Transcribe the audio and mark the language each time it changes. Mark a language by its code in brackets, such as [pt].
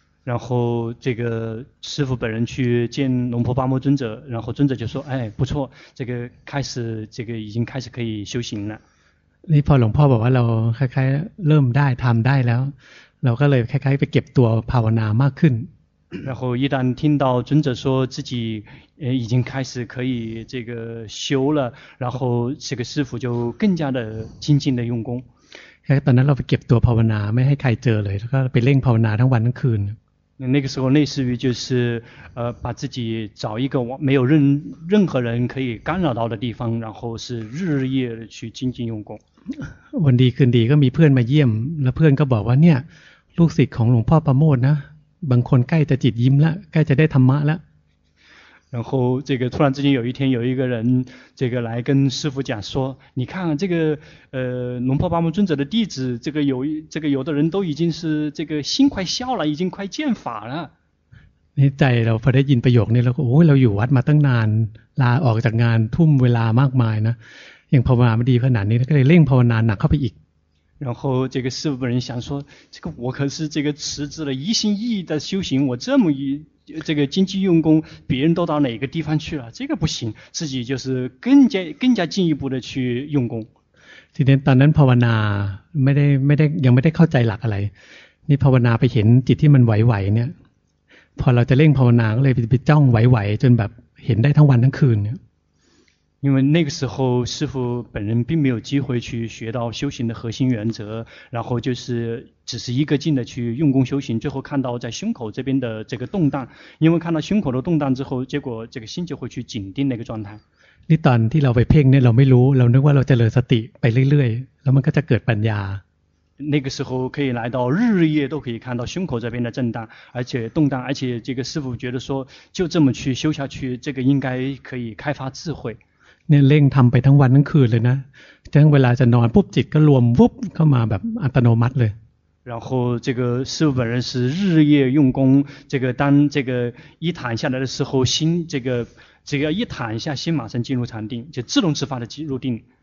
[zh] 然后这个师父本人去见龙婆巴木尊者然后尊者就说哎不错这个开始这个已经开始可以修行了 [th] นี่พอหลวงพ่อบอกว่าเราคล้ายๆเริ่มได้ทำได้แล้วเราก็เลยคล้ายๆไปเก็บตัวภาวนามากขึ้น [zh] 然后一旦听到尊者说自己已经开始可以这个修了然后这个师父就更加的精进的用功 [th] แค่ตอนนั้นเราไปเก็บตัวภาวนาไม่ให้ใครเจอเลยแล้วก็ไปเร่งภาวนาทั้งวันทั้งคืน [zh] 那个时候类似于就是把自己找一个没有任何人可以干扰到的地方然后是日夜去精进用功 [th] วันดีคืนดีก็มีเพื่อนมาเยี่ยมแล้วเพื่อนก็บอกว่าเนี่ยลูกศิษย์ของหลวงพ่อประโมทนะบางคนใกล้จะจิตยิ้มแล้วใกล้จะได้ธรรมะแล้ว [zh] 然后这个突然之间有一天有一个人这个来跟师父讲说你看这个龙婆巴木尊者的弟子这个有的人都已经是这个心快笑了已经快见法了 [th] ในใจเราพอได้ยินประโยคนี้เราก็โอ้ยเราอยู่วัดมาตั้งนานลาออกจากงานทุ่มเวลามากมายนะยังภาวนาไม่ดีขนาดนี้ก็เลยเร่งภาวนาหนักเข้าไปอีก [zh] 然后这个师父本人想说这个我可是这个辞职了一心一意的修行我这么这个精进用功别人都到哪个地方去了这个不行自己就是更加进一步的去用功 [th] ทีนี้ตอนนั้นภาวนาไม่ได้ยังไม่ได้เข้าใจหลักอะไรนี่ภาวนาไปเห็นจิตที่มันไหวๆเนี่ยพอเราจะเร่งภาวนาก็เลยไปจ้องไหวๆจนแบบเห็นได้ทั้งวันทั้งคืนเนี่ย [zh] 因为那个时候师父本人并没有机会去学到修行的核心原则，然后就是只是一个劲的去用功修行，最后看到在胸口这边的这个动荡，因为看到胸口的动荡之后，结果这个心就会去紧定那个状态。 [th] 那ตอนที่เราไปเพ่งเนี่ยเราไม่รู้เรานึกว่าเราจะเจริญสติไปเรื่อยๆแล้วมันก็จะเกิดปัญญา [zh] 那个时候可以来到日日夜都可以看到胸口这边的震荡，而且动荡，而且这个师父觉得说就这么去修下去，这个应该可以开发智慧。 [th] เนี่ยเร่งทำไปทั้งวันทั้งคืนเลยนะจนเวลาจะนอนปุ๊บจิตก็รวมวุบเข้ามาแบบอัตโนมัติเลย [zh] 然后这个师父本人是日夜用功这个当这个一躺下来的时候心这个一躺下心马上进入禅定就自动自发的进入定